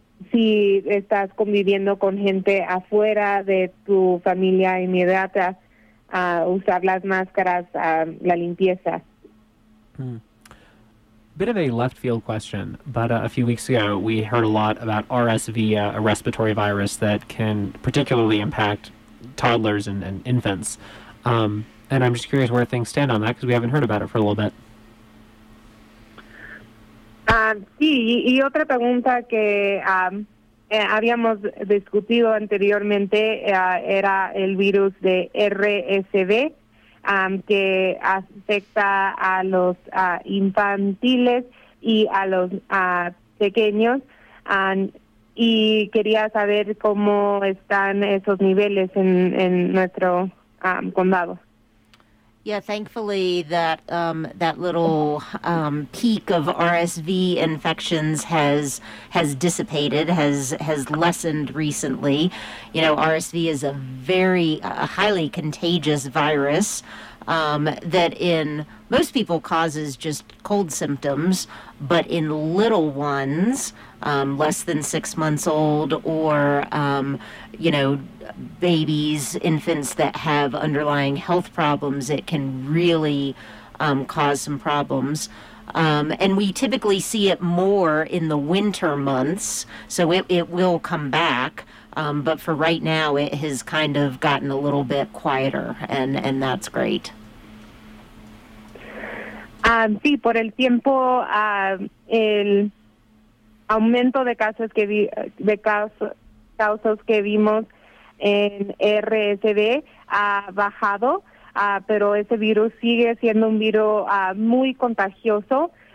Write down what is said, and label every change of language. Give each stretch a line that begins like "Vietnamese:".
Spanish: si estás conviviendo con gente afuera de tu familia inmediata, usar las máscaras, la limpieza.
English: Bit of a left field question, but a few weeks ago we heard a lot about RSV, a respiratory virus that can particularly impact toddlers and infants. And I'm just curious where things stand on that, because we haven't heard about it for a little bit.
Spanish: Sí, y otra pregunta que habíamos discutido anteriormente era el virus de RSV, que afecta a los infantiles y a los pequeños, y quería saber cómo están esos niveles en nuestro condado.
English: Yeah, thankfully that that little peak of RSV infections has dissipated, has lessened recently. You know, RSV is a very highly contagious virus that in most people causes just cold symptoms, but in little ones, less than 6 months old, or you know, babies, infants that have underlying health problems, it can really cause some problems. And we typically see it more in the winter months, so it will come back. But for right now, it has kind of gotten a little bit quieter, and that's great.
Spanish: Sí, por el tiempo, el aumento de casos que vimos en RSV ha bajado, pero ese virus sigue siendo un virus muy contagioso,